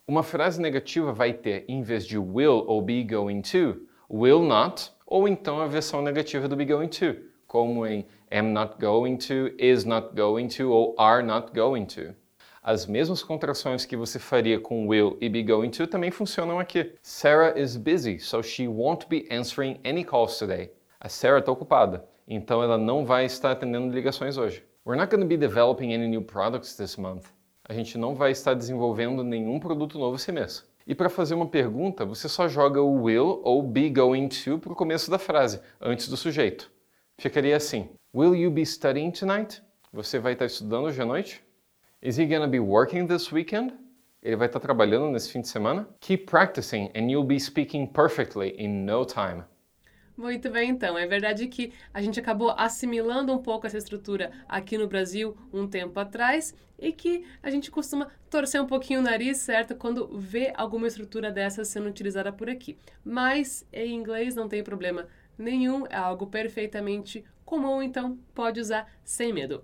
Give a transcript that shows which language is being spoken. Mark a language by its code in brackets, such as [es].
[pt] Uma frase negativa vai ter, em vez de will ou be going to, will not, ou então a versão negativa do be going to, como em am not going to, is not going to, ou are not going to. As mesmas contrações que você faria com will e be going to também funcionam aqui. [en] Sarah is busy, so she won't be answering any calls today. [pt] A Sarah está ocupada, então ela não vai estar atendendo ligações hoje. [en] We're not going to be developing any new products this month. [pt] A gente não vai estar desenvolvendo nenhum produto novo esse mês. E para fazer uma pergunta, você só joga o will ou be going to para o começo da frase, antes do sujeito. Ficaria assim. [en] Will you be studying tonight? [pt] Você vai estar estudando hoje à noite? [en] Is he gonna be working this weekend? [pt] Ele vai estar trabalhando nesse fim de semana? [en] Keep practicing and you'll be speaking perfectly in no time. [pt] Muito bem, então. É verdade que a gente acabou assimilando um pouco essa estrutura aqui no Brasil um tempo atrás e que a gente costuma torcer um pouquinho o nariz, certo? Quando vê alguma estrutura dessa sendo utilizada por aqui. Mas em inglês não tem problema nenhum, é algo perfeitamente comum, então pode usar sem medo.